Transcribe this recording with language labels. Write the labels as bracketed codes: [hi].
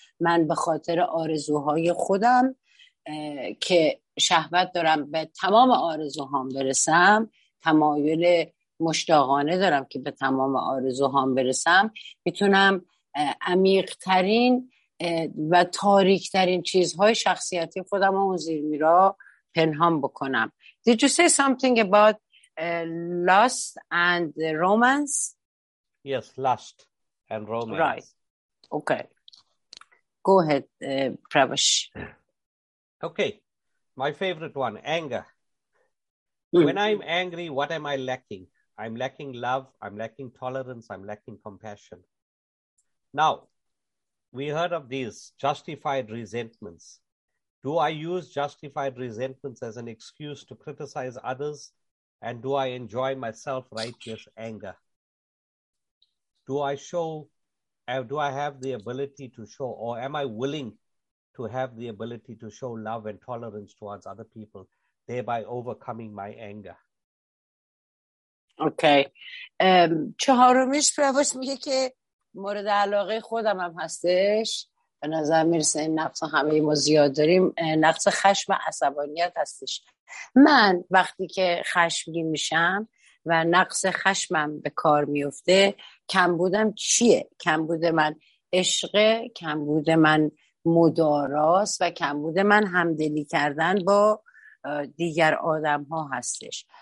[fa] من به خاطر آرزوهای خودم که شهوت دارم به تمام آرزوهام برسم، تمایل مشتاقانه دارم که به تمام آرزوهام برسم، میتونم عمیق‌ترین و تاریک‌ترین چیزهای شخصیتی خودم رو زیر میرا پنهان بکنم. [en] Did you say something about lust and romance? Yes, lust and romance. Right. Okay. Go ahead, Pravash. Okay, my favorite one, anger. Mm-hmm. When I'm angry, what am I lacking? I'm lacking love, I'm lacking tolerance, I'm lacking compassion. Now, we heard of these justified resentments. Do I use justified resentments as an excuse to criticize others? And do I enjoy my self-righteous anger? Do I have the ability to show, or am I willing to have the ability to show love and tolerance towards other people, thereby overcoming my anger? Okay. [fa] چهارمیش پرواز میگه که مورد علاقه خودم هم هستش. به نظر میرسه این نقص همه ما زیاد داریم، نقص خشم و عصبانیت هستش. من وقتی که خشمگین میشم و نقص خشمم به کار میفته، کمبودم چیه؟ کمبود من عشق، کمبود من مداراست و کمبود من همدلی کردن با دیگر آدم ها هستش.